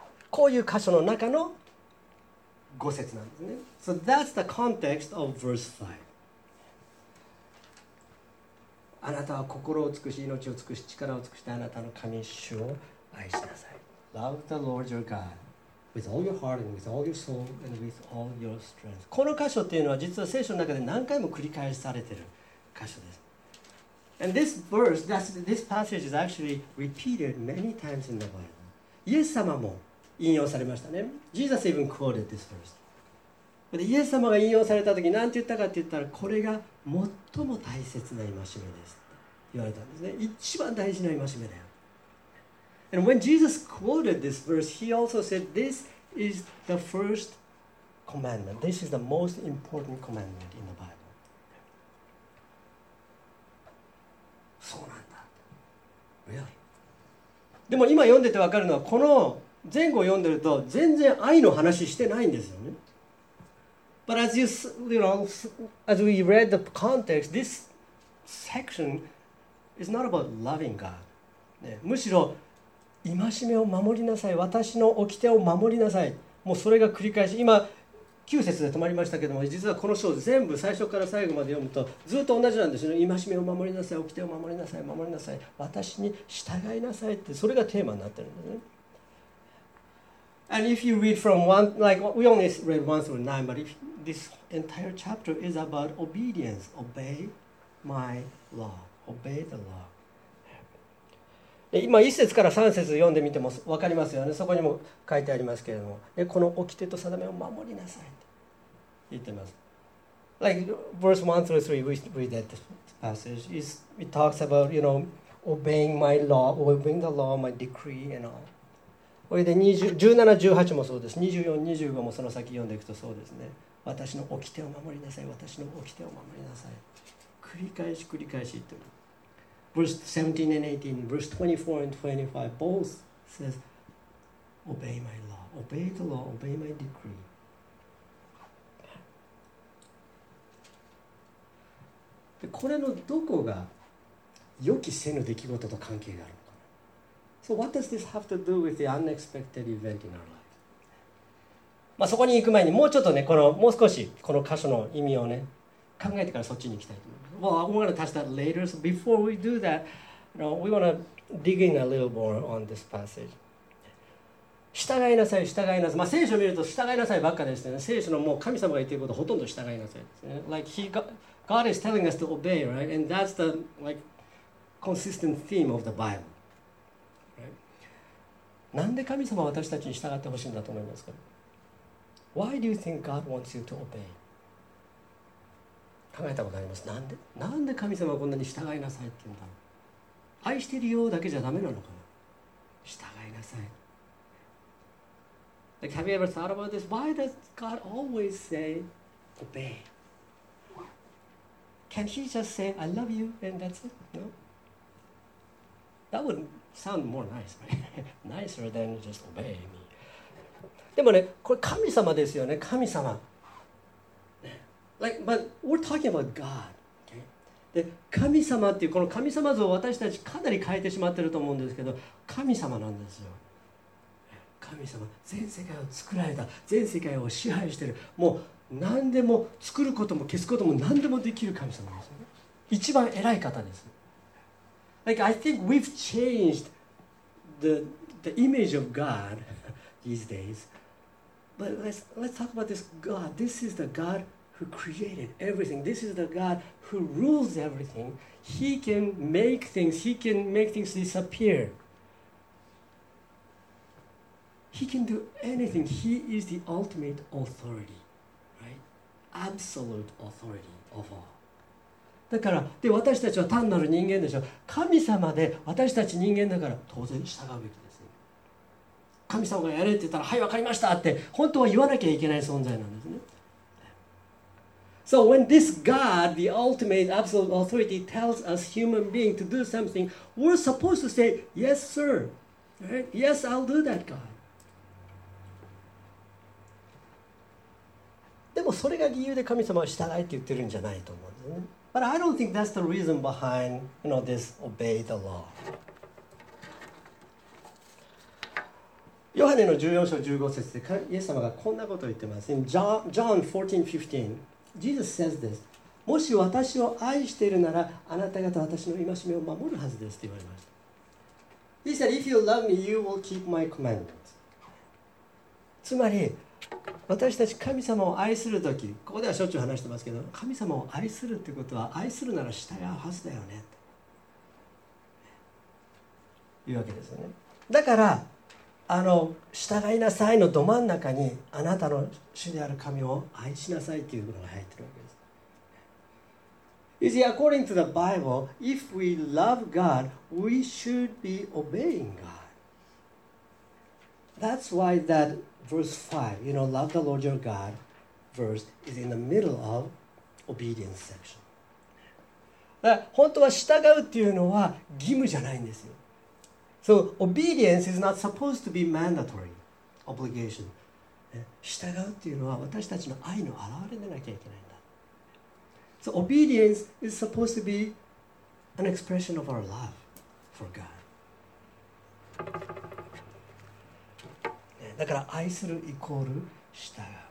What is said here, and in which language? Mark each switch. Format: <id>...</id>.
<ja>こういう箇所の中の五節なんですね。</ja> <en>So that's the context of verse 5.</en> <ja>あなたは心を尽くし、命を尽くし、力を尽くしてあなたの神主を愛しなさい。</ja> <en>Love the Lord your God with all your heart and with all your soul and with all your strength.</en> <ja>この箇所っていうのは実は聖書の中で何回も繰り返されている箇所です。</ja> <en>And this verse, this passage is actually repeated many times in the Bible.</en> <ja>イエス様も引用されましたね。</ja> <en>Jesus even quoted this verse.</en> <ja>イエス様が引用されたとき何て言ったかって言ったら、これが最も大切な戒めですって言われたんですね。一番大事な戒めだよ。</ja> <en>And when Jesus quoted this verse, he also said, this is the first commandment. This is the most important commandment in the Bible.</en> <ja>そうなんだ。</ja> <en>Really?</en> <ja>でも今読んでて分かるのは、この前後読んでると全然愛の話してないんですよね。</ja> <en>But as as we read the context, this section is not about loving God.、</en> <ja>ね、むしろ戒めを守りなさい、私の掟を守りなさい。もうそれが繰り返し、今9節で止まりましたけども、実はこの章全部最初から最後まで読むとずっと同じなんですよね。戒めを守りなさい、掟を守りなさい、守りなさい、私に従いなさいって、それがテーマになってるんですね。</ja> <en>And if you read from one, like we only read 1 through 9, but if this entire chapter is about obedience, obey my law, obey the law.</en> <ja>今1節から3節読んでみても分かりますよね。そこにも書いてありますけれども、この掟と定めを守りなさいと言ってます。</ja> <en>like verse 1 through 3, we read that passage. It talks about, you know, obeying my law, obeying the law, my decree, and all.</en> <ja>これで17、18もそうです。 24、25もその先読んでいくとそうですね。私の掟を守りなさい、私の掟を守りなさい。繰り返し繰り返しと。</ja> <en>Verse 17 and 18, verse 24 and 25, both says, Obey my law, obey the law, obey my decree.</en> <ja>でこれのどこが予期せぬ出来事と関係があるのか。</ja> <en>So what does this have to do with the unexpected event in our life?</en> <ja>まあそこに行く前にもうちょっとね、このもう少しこの箇所の意味をね、考えてからそっちに行きたいと思います。</ja> <en>Well, I'm going to touch that later. So before we do that, you know, we want to dig in a little more on this passage.</en> <ja>従いなさい、従いなさい。まあ聖書を見ると従いなさいばっかでしたね。聖書のもう神様が言っていることほとんど従いなさいですね。</ja> <en>Like he, God is telling us to obey, right? And that's the like consistent theme of the Bible.</en> <ja>なんで神様は私たちに従ってほしいんだと思いますか。</ja> <en>Why do you think God wants you to obey?</en> <ja>考えたことあります。なんで神様はこんなに従いなさいって言うんだろう。愛してるようだけじゃダメなのかな。従いなさい。</ja> <en>Like, have you ever thought about this? Why does God always say obey? Can He just say I love you and that's it? No. That wouldSound more nice, right? Nicer than just obey me.</en> <ja>でもね、これ神様ですよね、神様。</ja> <en>Like, but we're talking about God. Okay?</en> <ja>で、神様っていう、この神様像を私たちかなり変えてしまってると思うんですけど、神様なんですよ。神様、全世界を作られた、全世界を支配してる、もう何でも作ることも消すことも何でもできる神様ですよね。一番偉い方です。</ja> <en>Like, I think we've changed the image of God these days. But let's talk about this God. This is the God who created everything. This is the God who rules everything. He can make things. He can make things disappear. He can do anything. He is the ultimate authority, right? Absolute authority of all.</en> <ja>だからで私たちは単なる人間でしょ。神様で私たち人間だから当然従うべきです、ね。神様がやれって言ったらはいわかりましたって本当は言わなきゃいけない存在なんですね。</ja> <en>So when this God, the ultimate absolute authority, tells us human being to do something, we're supposed to say yes, sir,、right? Yes, I'll do that, God.</en> <ja>でもそれが理由で神様は従えって言ってるんじゃないと思うんですね。</ja> <en>But I don't think that's the reason behind, you know, this obey the law.</en> <ja>ヨハネの14章15節でイエス様がこんなことを言ってます。</ja> <en>In John 14:15, Jesus says this,</en> <ja>もし私を愛しているならあなた方私の戒めを守るはずですと言われました。</ja> <en>He said, if you love me, you will keep my commandments.</en> <ja>つまり、私たち神様を愛するとき、ここではしょっちゅう話してますけど、神様を愛するってことは愛するなら従うはずだよねというわけですよね。だからあの従いなさいのど真ん中にあなたの主である神を愛しなさいというのが入ってるわけです。</ja> <en>You see, according to the Bible, if we love God, we should be obeying God. That's why thatVerse 5, you know, love the Lord your God verse is in the middle of obedience section.</en> <ja>だから本当は従うっていうのは義務じゃないんですよ。</ja> <en>So, obedience is not supposed to be mandatory, obligation.</en> <ja>従うっていうのは私たちの愛の表れでなきゃいけないんだ。</ja> <en>So, obedience is supposed to be an expression of our love for God.</en> <ja>だから愛するイコール従う。</ja>